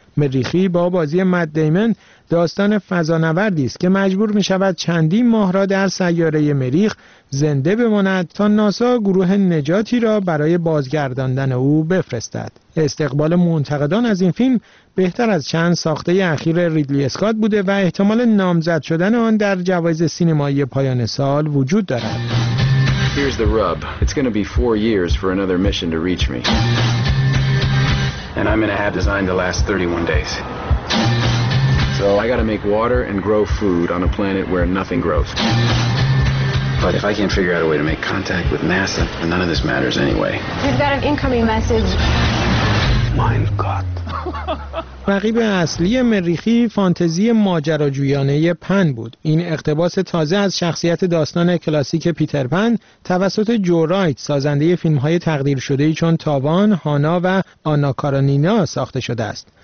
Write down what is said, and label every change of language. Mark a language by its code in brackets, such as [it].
[fa] مریخی با بازی مت دیمن داستان فضانوردی است که مجبور می شود چندین ماه را در سیاره مریخ زنده بماند تا ناسا گروه نجاتی را برای بازگرداندن او بفرستد. استقبال منتقدان از این فیلم بهتر از چند ساخته اخیر ریدلی اسکات بوده و احتمال نامزد شدن آن در جوایز سینمایی پایان سال وجود دارد. [en] Here's the rub. It's going to be 4 years for another mission to reach me. And I'm in a hab designed to last 31 days. So I got to make water and grow food on a planet where nothing grows. But if I can't figure out a way to make contact with NASA, then none of this matters anyway. We've got an incoming message. [de] Mein Gott. [fa] رقیب اصلی مریخی فانتزی ماجراجویانه پن بود. این اقتباس تازه از شخصیت داستان کلاسیک پیتر پن توسط جو رایت، سازنده فیلم‌های تقدیر شده چون تاوان، هانا و آنا کارانینا ساخته شده است.